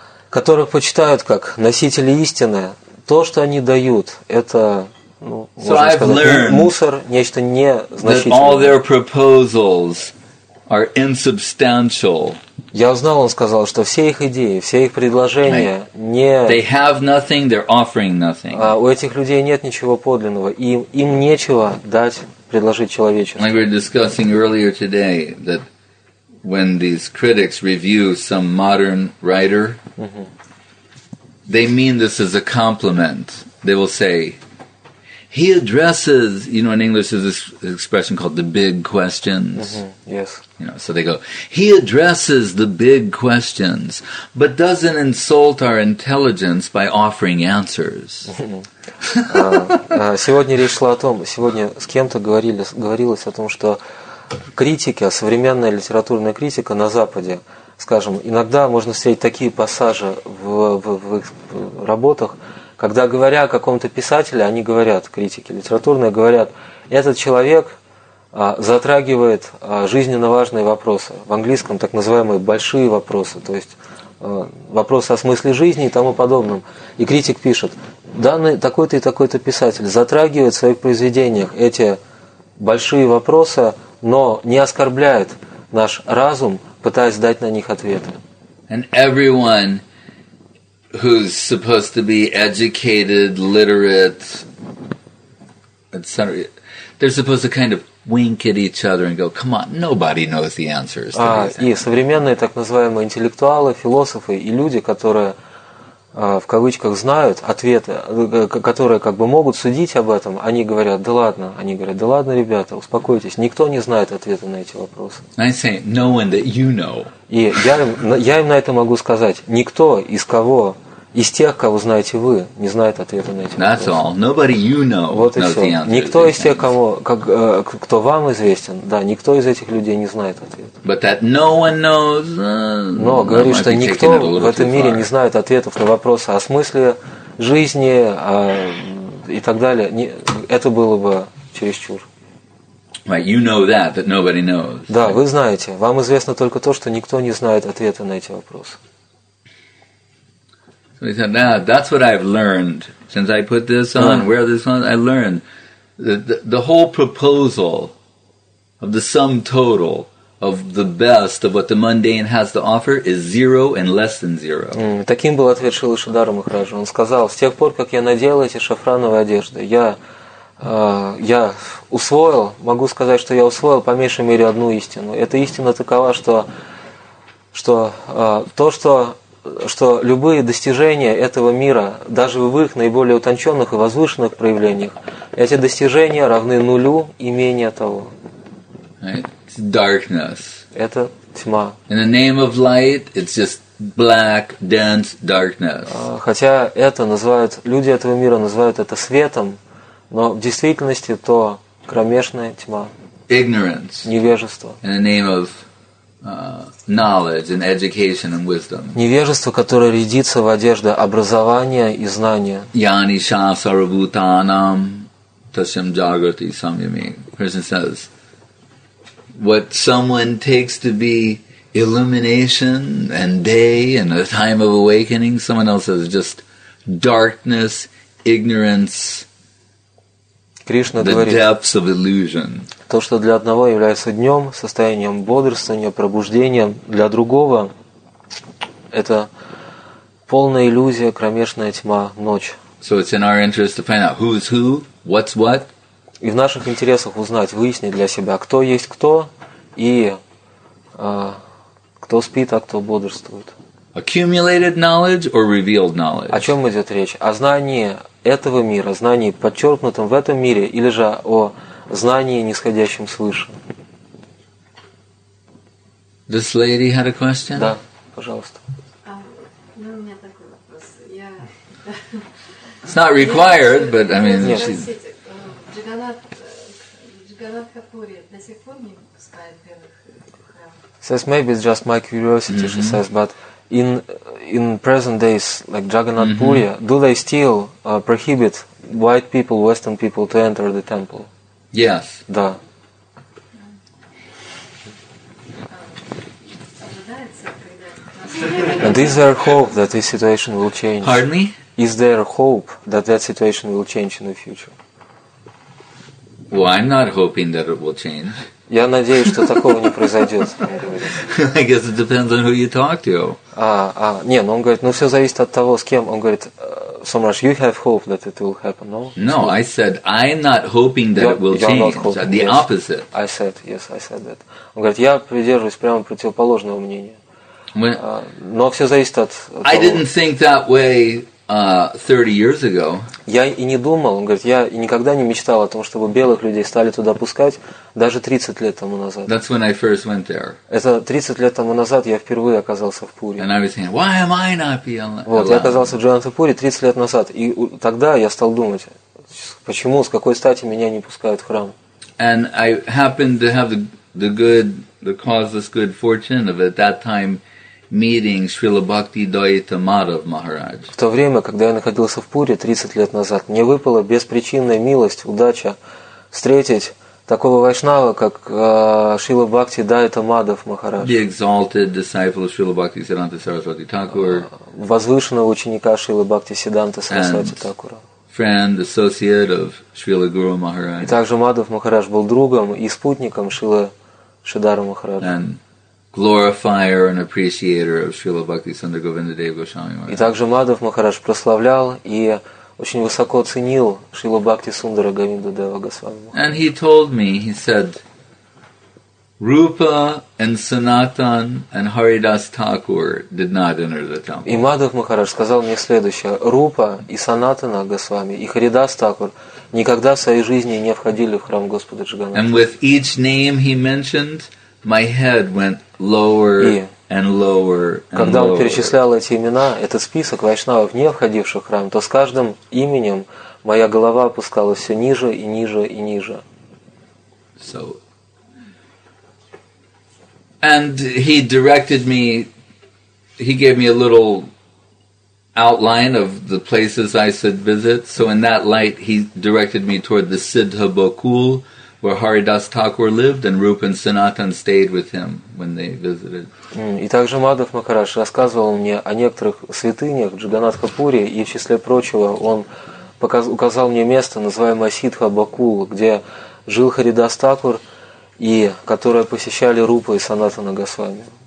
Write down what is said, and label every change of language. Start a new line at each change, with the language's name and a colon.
Russian: которых почитают как носители истины, то, что они дают, это, ну, можно сказать, мусор, нечто незначительное. Я узнал, он сказал, что все их идеи, все их предложения не...
English: They have nothing, they're offering nothing.
Russian: У этих людей нет ничего подлинного, им нечего дать, предложить человечеству.
English: Like we were discussing earlier today, that when these critics review some modern writer, they mean this as a compliment. They will say, he addresses, you know, in English there's this expression called the big questions. Mm-hmm. Yes. You know, so they go, he addresses the big questions, but doesn't insult our intelligence by offering answers.
Russian: Сегодня речь шла о том, сегодня с кем-то говорилось о том, что критика, современная литературная критика на Западе, скажем, иногда можно встретить такие пассажи в их работах, когда говоря о каком-то писателе, они говорят, критики литературные, говорят, этот человек затрагивает жизненно важные вопросы, в английском так называемые большие вопросы, то есть вопросы о смысле жизни и тому подобном. И критик пишет, данный такой-то и такой-то писатель затрагивает в своих произведениях эти большие вопросы, но не оскорбляет наш разум, пытаясь дать на них ответы.
English: And everyone who's supposed to be educated, literate, etc. They're supposed to kind of wink at each other and go, come on, nobody knows the answers.
Russian: И современные так называемые интеллектуалы, философы и люди, которые в кавычках знают ответы, которые как бы могут судить об этом, они говорят, да ладно, ребята, успокойтесь, никто не знает ответа на эти вопросы.
English: I say, no one that you know.
Russian: И я им на это могу сказать, никто из кого, из тех, кого знаете вы, не знает ответа на эти вопросы.
English: That's all. Nobody you know
Russian: вот
English: knows
Russian: и все. Никто из тех, кто вам известен, да, никто из этих людей не знает ответа.
English: But that no one knows,
Russian: но говорю, что никто в этом мире не знает ответов на вопросы о смысле жизни и так далее. Это было бы чересчур.
English: Right, you know that nobody knows.
Russian: Да, вы знаете. Вам известно только то, что никто не знает ответа на эти вопросы.
English: So he said, "Now that's what I've learned since I put this on, wear this on. I learned the whole proposal of the sum total of the best of what the mundane has to offer is zero and less than zero."
Russian: Таким был ответ Шрилы Шридхара Махараджа. Он сказал: "С тех пор, как я надел эти шафрановые одежды, я усвоил. Могу сказать, что я усвоил по меньшей мере одну истину. Эта истина такова, что любые достижения этого мира, даже в их наиболее утонченных и возвышенных проявлениях, эти достижения равны нулю и менее того.
English: Right. It's darkness.
Russian: Это тьма.
English: In the name of light, it's just black, dense darkness.
Russian: Хотя это называют, люди этого мира называют это светом, но в действительности то кромешная тьма.
English: Ignorance.
Russian: Невежество.
English: In the name of knowledge and education and wisdom.
Russian: Невежество, которое рядится в одежды образования и знания.
Sanskrit: Yani sha sarvutanam tasyam jagrati samyami.
English: Person says, what someone takes to be illumination and day and a time of awakening, someone else says just darkness, ignorance.
Russian: Кришна
English: the
Russian: говорит,
English: depths of illusion.
Russian: То, что для одного является днем, состоянием бодрствования, пробуждения, для другого – это полная иллюзия, кромешная тьма, ночь.
English: So it's in our interest to find out who's who, what's what.
Russian: И в наших интересах узнать, выяснить для себя, кто есть кто, и кто спит, а кто бодрствует.
English: Accumulated knowledge or revealed knowledge?
Russian: О чем идет речь? О знании этого мира, знании, подчеркнутом в этом мире, или же о знании, нисходящем свыше?
English: This lady had a question?
Russian: Да, пожалуйста. Ну, у меня такой вопрос.
English: It's not required, but, I mean...
Russian: Нет, простите. Джаганнат Хапури до сих пор не пускает первых храмов?
English: Says, maybe it's just my curiosity, she says, but... In present days, like Jagannath Puri, do they still prohibit white people, Western people, to enter the temple? Yes.
Russian: Да. Ожидается, когда
English: And is there hope that this situation will change? Pardon me? Is there hope that that situation will change in the future? Well, I'm not hoping that it will change.
Russian: Я надеюсь, что такого не произойдет.
English: I guess it depends on who you talk to.
Russian: Нет, но он говорит, ну все зависит от того, с кем. Он говорит, Somrash,
English: you have hope that it will happen, no? No, I said, I'm not hoping that it will change. The opposite. I said, yes, I said that.
Russian: Он говорит, я придерживаюсь прямо противоположного мнения. Но все зависит от того.
English: I didn't think that way 30 years ago.
Russian: Я и не думал, он говорит, я и никогда не мечтал о том, чтобы белых людей стали туда пускать даже 30 лет тому назад.
English: That's when I first went there.
Russian: Это 30 лет тому назад я впервые оказался в Пуре.
English: And I was thinking, why am I not being allowed?
Russian: Вот, я оказался в Джанатапуре 30 лет назад, и тогда я стал думать, почему, с какой стати меня не пускают в храм.
English: And I happened to have the causeless good fortune of at that time meeting Srila Bhakti Daita Madhav Maharaj.
Russian: В то время, когда я находился в Пуре 30 лет назад, мне выпала беспричинная милость, удача встретить такого вайшнава, как Шрила Бхакти Дайта Мадхав Махарадж.
English: The exalted disciple of Srila Bhakti Siddhanta Saraswati Thakur.
Russian: Возвышенного ученика Шрилы Бхакти Сиддханты Сарасвати Такура.
English: Friend, associate of Srila Guru Maharaj.
Russian: И также Мадхав Махарадж был другом и спутником Шрилы Шридхара Махараджа.
English: Glorifier and appreciator of Srila Bhakti Sundar Govinda Dev Goswami Maharaj.
Russian: И также Мадхав Махарадж прославлял и очень высоко ценил Шрилу Бхакти Сундара Говинду Дева Госвами.
English: And he told me, he said, Rupa and Sanatan and Haridas Thakur did not enter the temple.
Russian: И Мадхав Махарадж сказал мне следующее: Рупа и Санатана Госвами и Харидас Такур никогда в своей жизни не входили в храм Господа Джаганнатха.
English: And with each name he mentioned, my head went lower and lower and lower.
Russian: Когда он перечислял эти имена, этот список вайшнавов, не входивших в храм, то с каждым именем моя голова опускалась все ниже и ниже и ниже.
English: So, and he directed me, he gave me a little outline of the places I should visit. So in that light, he directed me toward the Siddha Bokul, where Haridas Thakur lived, and Rupa and Sanatan stayed with him when they visited.
Russian: И также Мадхав Махарадж рассказывал мне о некоторых святынях в Джаганатхапуре, и в числе прочего он указал мне место, называемое Сидха Бакул, где жил Харидас Такур, и которое посещали Рупа и Санатана Госвами.